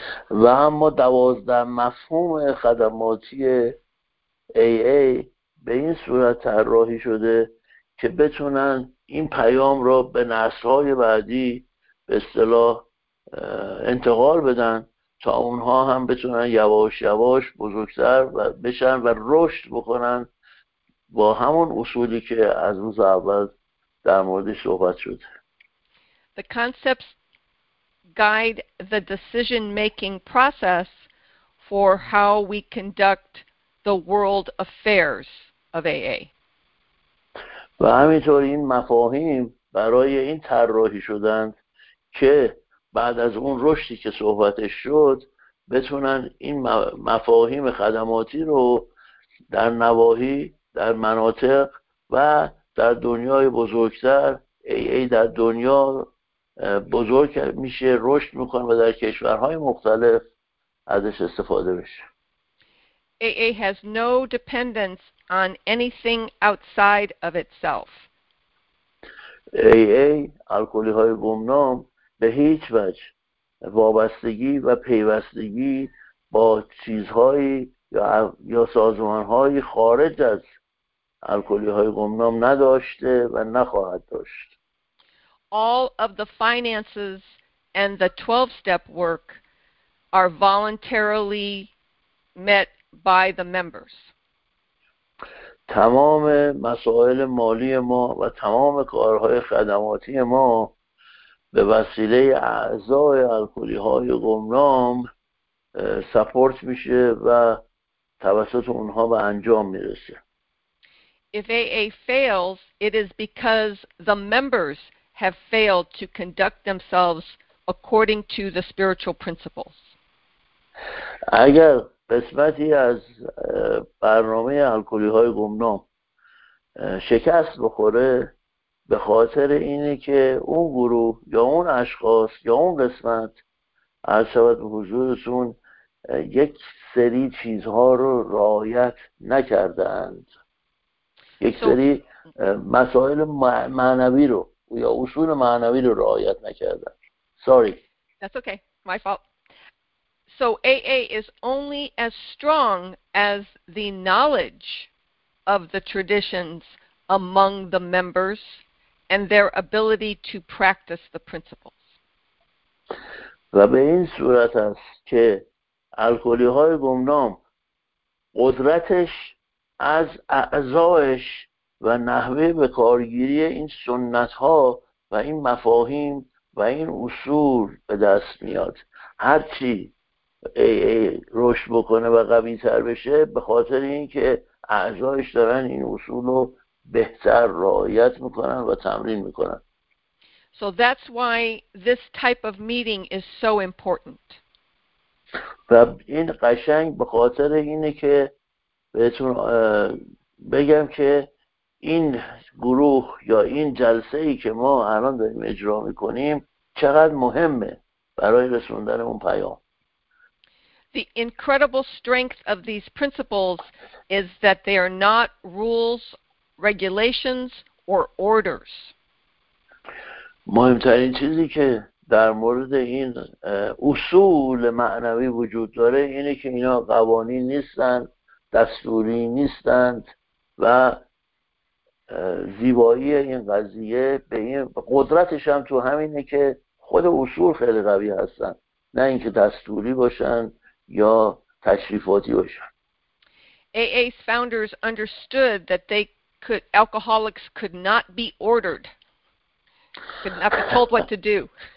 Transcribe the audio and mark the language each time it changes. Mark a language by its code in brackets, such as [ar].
[fa] و اما 12 مفهوم خدماتی AA به این صورت طراحی شده که بتونن این پیام را به نسل‌های بعدی به اصطلاح انتقال بدن تا اونها هم بتونن یواش یواش بزرگتر و بشن و رشد بکنن با همون اصولی که از روز اول در موردش صحبت شده. [en] The concepts guide the decision making process for how we conduct the world affairs of AA. [fa] و همینطور این مفاهیم برای این طراحی شدند که بعد از اون رشدی که صحبتش شد بتونن این مفاهیم خدماتی رو در نواحی، در مناطق و در دنیای بزرگتر، AA در دنیا بزرگ میشه، رشد میکنه و در کشورهای مختلف ازش استفاده بشه. [en] AA has no dependence on anything outside of itself. [fa] AA الکلی های گمنام به هیچ وجه وابستگی و پیوستگی با چیزهای یا سازمانهای خارج از الکلی های گمنام نداشته و نخواهد داشت. [en] All of the finances and the 12-step work are voluntarily met by the members. [fa] تمام مسائل مالی ما و تمام کارهای خدماتی ما به وسیله اعضای الکلی های گمنام سپورت میشه و توسط اونها به انجام میرسه. [en] If AA fails, it is because the members have failed to conduct themselves according to the spiritual principles. [fa] اگر قسمتی از برنامه الکلی های گمنام شکست بخوره به خاطر اینه که اون گروه یا اون اشخاص یا اون قسمت از شبت به حضورتون یک سری چیزها رو رعایت نکردند، یک سری مسائل معنوی رو یا اصول معنوی رو رعایت نکردند. [en] Sorry. That's okay. My fault. So AA is only as strong as the knowledge of the traditions among the members and their ability to practice the principles. [fa] و به این صورت است که الکلی های گمنام قدرتش از اعضایش و نحوه به کارگیری این سنت ها و این مفاهیم و این اصول به دست میاد. هرچی AA رشد بکنه و قوی تر بشه به خاطر اینکه اعضایش دارن این اصول رو بهتر رعایت میکنن و تمرین میکنن. [en] So that's why this type of meeting is so important. [fa] و این قشنگ به خاطر اینه که بهتون بگم که این گروه یا این جلسه ای که ما الان داریم اجرا میکنیم چقدر مهمه برای رسوندن اون پیام. [en] The incredible strength of these principles is that they are not rules, regulations, or orders. [fa] مهمترین چیزی که در مورد این اصول معنوی وجود داره اینه که اینا قوانین نیستند، دستوری نیستند و زیبایی این قضیه به این قدرتش هم تو همینه که خود اصول خیلی قوی هستند، نه اینکه دستوری باشن یا تشریفاتی باشن. [en] AA's founders understood that they could alcoholics could not be ordered, could not be told what to do.